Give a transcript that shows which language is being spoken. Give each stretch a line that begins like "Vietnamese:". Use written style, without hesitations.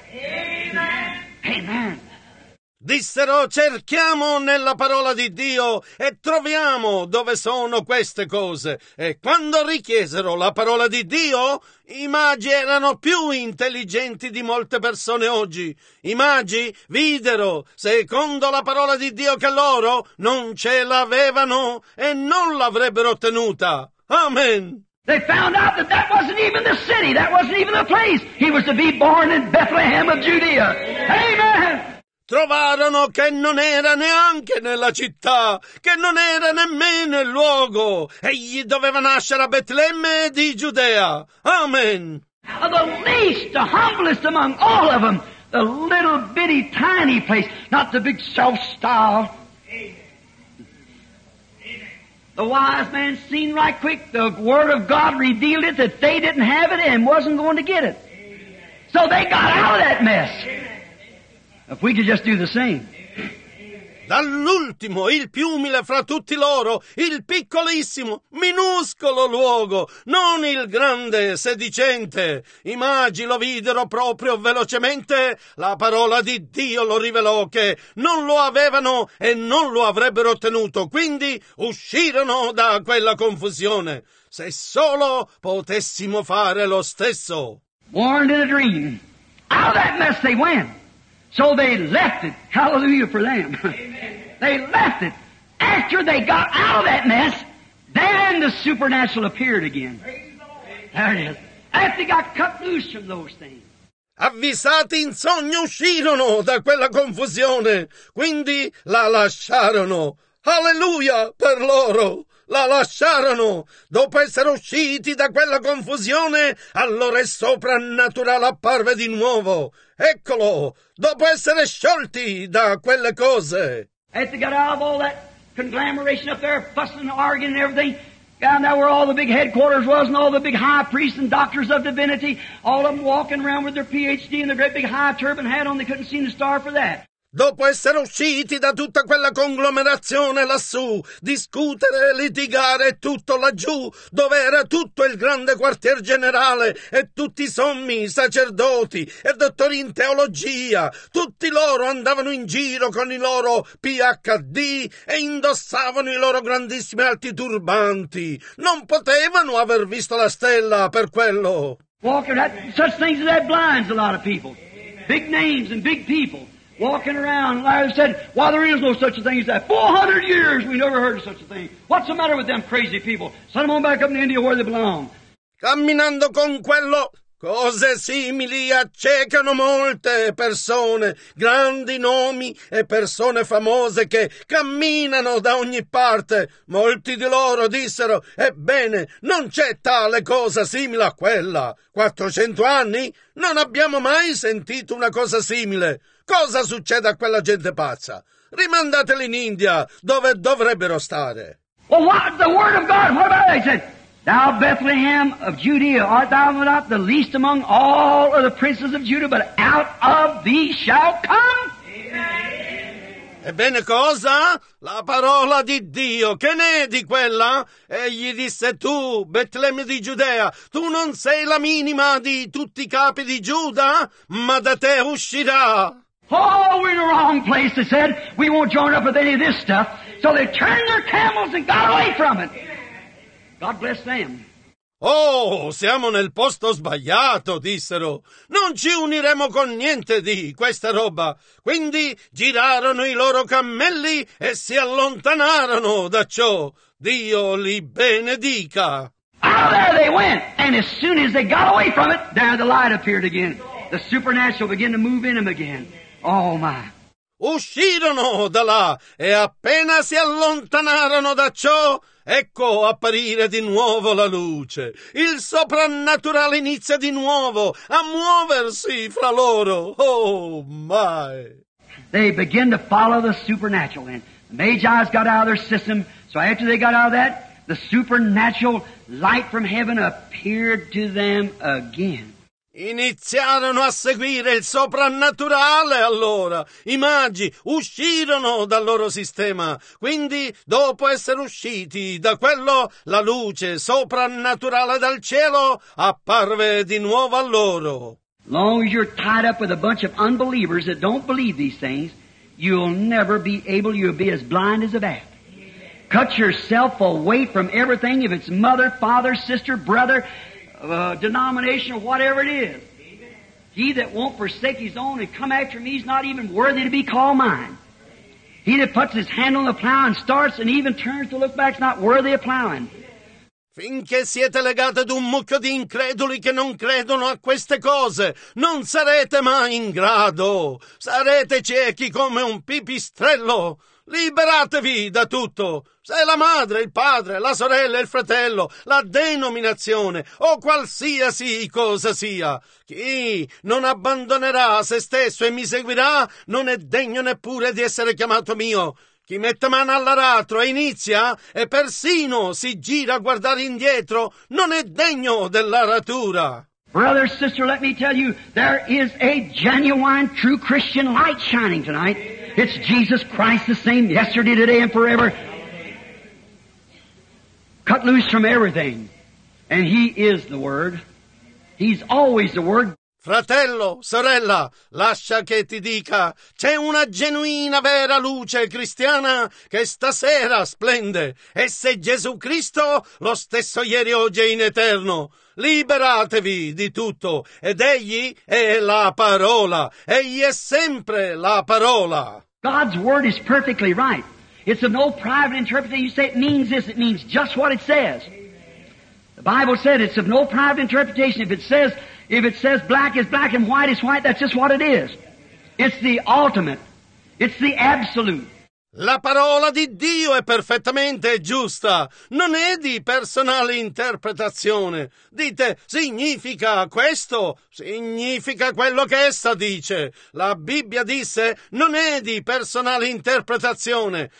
Italian: Amen. Amen. Dissero, cerchiamo nella parola di Dio e troviamo dove sono queste cose. E quando richiesero la parola di Dio, i magi erano più intelligenti di molte persone oggi. I magi videro, secondo la parola di Dio, che loro non ce l'avevano e non l'avrebbero ottenuta. Amen.
English: They found out that that wasn't even the city, that wasn't even the place. He was to be born in Bethlehem of Judea. Amen.
Italian: Trovarono che non era neanche nella città, che non era nemmeno il luogo. Egli doveva nascere a Betlemme di Giudea. Amen.
English: The least, the humblest among all of them, the little bitty tiny place, not the big self-styled. The wise man seen right quick, the word of God revealed it, that they didn't have it and wasn't going to get it. So they got out of that mess. If we could just do the same.
Italian: dall'ultimo, il più umile fra tutti loro, il piccolissimo, minuscolo luogo, non il grande sedicente. I magi lo videro proprio velocemente, la parola di Dio lo rivelò che non lo avevano e non lo avrebbero ottenuto, quindi uscirono da quella confusione. Se solo potessimo fare lo stesso.
English: Warned in a dream. Out of that mess they went. So they left it. Hallelujah for them. They left it. After they got out of that mess, then the supernatural appeared again. There it is. After they got cut loose from those things.
Italian: Avvisati in sogno uscirono da quella confusione. Quindi la lasciarono. Hallelujah per loro. La lasciarono. Dopo essere usciti da quella confusione, allora il soprannaturale apparve di nuovo. Eccolo, dopo essere sciolti da quelle cose.
English: As they got out of all that conglomeration up there, fussing and arguing and everything, down there where all the big headquarters was and all the big high priests and doctors of divinity, all of them walking around with their PhD and the great big high turban hat on, they couldn't see the star for that.
Italian: Dopo essere usciti da tutta quella conglomerazione lassù, discutere, litigare, tutto laggiù, dove era tutto il grande quartier generale e tutti i sommi sacerdoti e dottori in teologia, tutti loro andavano in giro con i loro PhD e indossavano i loro grandissimi alti turbanti. Non potevano aver visto la stella per quello.
English: Walker, such things that blinds a lot of people. Big names and big people. Walking around, and I said, why, there is no such a thing as that. 400 years, we never heard of such a thing. What's the matter with them crazy people? Send them on back up in India where they belong.
Italian: Camminando con quello, cose simili accecano molte persone, grandi nomi e persone famose che camminano da ogni parte. Molti di loro dissero, ebbene, non c'è tale cosa simile a quella. 400 anni? Non abbiamo mai sentito una cosa simile. Cosa succede a quella gente pazza? Rimandateli in India, dove dovrebbero stare.
English: Well, what the word of God? What about it? Said, thou Bethlehem of Judea, art thou not the least among all of the princes of Judah, but out of thee shall come?
Italian: Ebbene cosa? La parola di Dio, che ne è di quella? Egli disse, tu, Betlemme di Giudea, tu non sei la minima di tutti i capi di Giuda, ma da te uscirà.
English: Oh, we're in the wrong place, they said. We won't join up with any of this stuff. So they turned their camels and got away from it. God bless them.
Italian: Oh, siamo nel posto sbagliato, dissero. Non ci uniremo con niente di questa roba. Quindi girarono i loro cammelli e si allontanarono da ciò. Dio li benedica.
English: Out of there they went. And as soon as they got away from it, there the light appeared again. The supernatural began to move in them again. Oh my.
Italian: Uscirono da là e appena si allontanarono da ciò, ecco apparire di nuovo la luce. Il soprannaturale inizia di nuovo a muoversi fra loro.
English: Oh my. They begin to follow the supernatural. And the Magi's got out of their system. So after they got out of that, the supernatural light from heaven appeared to them again.
Italian: Iniziarono a seguire il soprannaturale allora. I magi uscirono dal loro sistema. Quindi, dopo essere usciti da quello, la luce soprannaturale dal cielo apparve di nuovo a loro.
English: Long as you're tied up with a bunch of unbelievers that don't believe these things, you'll never be able, you'll be as blind as a bat. Cut yourself away from everything, if it's mother, father, sister, brother, denomination or whatever it is. He that won't forsake his own and come after me is not even worthy to be called mine. He that puts his hand on the plow and starts and even turns to look back is not worthy of plowing.
Italian: Finché siete legati ad un mucchio di increduli che non credono a queste cose, non sarete mai in grado. Sarete ciechi come un pipistrello. Liberatevi da tutto. Se la madre, il padre, la sorella, il fratello, la denominazione o qualsiasi cosa sia, chi non abbandonerà se stesso e mi seguirà non è degno neppure di essere chiamato mio. Chi mette mano all'aratro e inizia e persino si gira a guardare indietro non è degno dell'aratura.
English: Brother, sister, let me tell you, there is a genuine, true Christian light shining tonight. It's Jesus Christ the same yesterday, today, and forever. Cut loose from everything. And He is the Word. He's always the Word.
Italian: Fratello, sorella, lascia che ti dica, c'è una genuina, vera luce cristiana che stasera splende. E se Gesù Cristo, lo stesso ieri, oggi e in eterno, liberatevi di tutto. Ed Egli è la parola. Egli è sempre la parola.
English: God's word is perfectly right. It's of no private interpretation. You say it means this, it means just what it says. The Bible said it's of no private interpretation. If it says black is black and white is white, that's just what it is. It's the ultimate. It's the absolute.
Italian: La parola di Dio è perfettamente giusta. Non è di personale interpretazione. Dite, significa questo? Significa quello che essa dice. La Bibbia disse, non è di personale interpretazione.